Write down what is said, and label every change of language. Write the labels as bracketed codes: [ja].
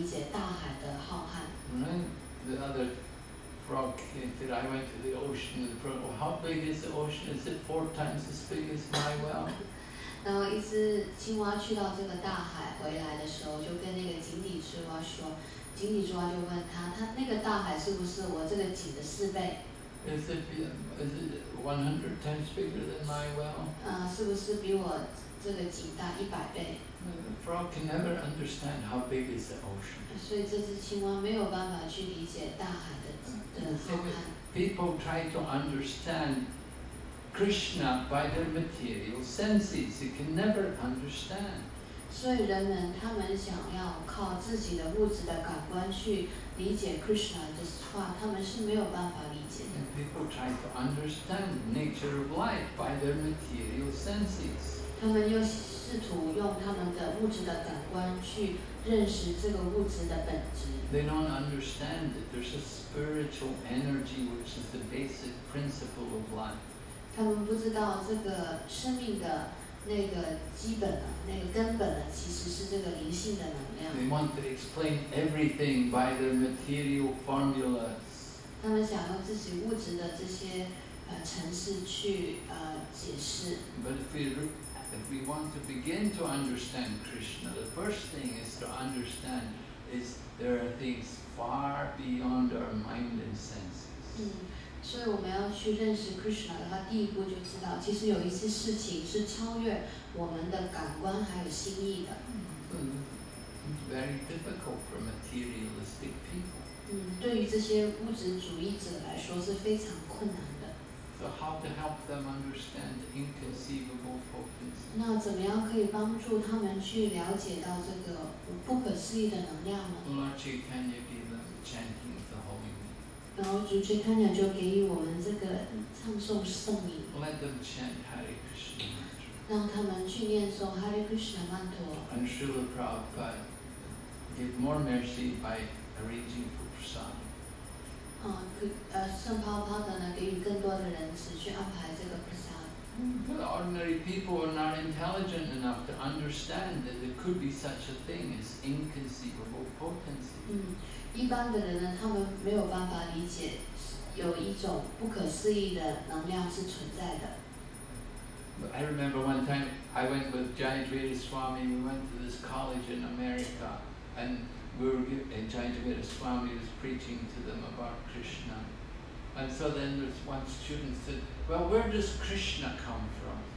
[zh] 我们有一个故事，讲这个井底之蛙，就说这个青蛙在井里面没有办法理解大海的浩瀚。The [en] other frog came to, I went to the ocean, and the frog, well, how big is the ocean? Is it four times as big as my well? [zh] 然后一只青蛙去到这个大海回来的时候，就跟那个井底之蛙说, 经理抓就问他，他那个大海是不是我这个井的四倍 [en] is it 100 times bigger than my well? [zh] 是不是比我这个井大一百倍？ [en] The frog can never understand how big is the ocean. [zh] 所以这只青蛙没有办法去理解大海的海岸。 [en] People try to understand Krishna by their material senses. It can never understand. [zh] 所以人们他们想要靠自己的物质的感官去理解 Krishna 的话，他们是没有办法理解的。 [en] And people try to understand nature of life by their material senses. [zh] 他们又试图用他们的物质的感官去认识这个物质的本质。 [en] They don't understand that there's a spiritual energy which is the basic principle of life. [zh] 他们不知道这个生命的那个基本的、那个根本的，其实是这个灵性的能量。 [en] They want to explain everything by their material formulas. [zh] 他们想用自己物质的这些程式去解释。 [en] But if we want to begin to understand Krishna, the first thing is to understand is. There are things far beyond our mind and senses. [zh] 所以我们要去认识 Krishna 的话，第一步就知道，其实有一些事情是超越我们的感官还有心意的。 [en] It's very difficult for materialistic people. [zh] 对于这些物质主义者来说是非常困难的。 [en] So how to help them understand the inconceivable potency? [zh] 那怎么样可以帮助他们去了解到这个不可思议的能量呢？ [en] Lord Chaitanya gave them the chanting of the holy name. [zh] 然后主 Chaitanya 就给予我们这个唱诵圣名。 [en] Let them chant Hare Krishna mantra. [zh] 让他们去念诵 Hare Krishna mantra. [en] And Srila Prabhupada give more mercy by arranging for prasadam. [zh] 圣帕帕德呢给予更多的仁慈去安排这个菩萨。 [en] But ordinary people are not intelligent enough to understand that there could be such a thing as inconceivable potency. [zh] 一般的人呢，他们没有办法理解有一种不可思议的能量是存在的。 [en] But I remember one time I went with Jayadvira Swami. We went to this college in America, and. And Jayadvira Swami was preaching to them about Krishna. And so then this one student said, well, where does Krishna come from?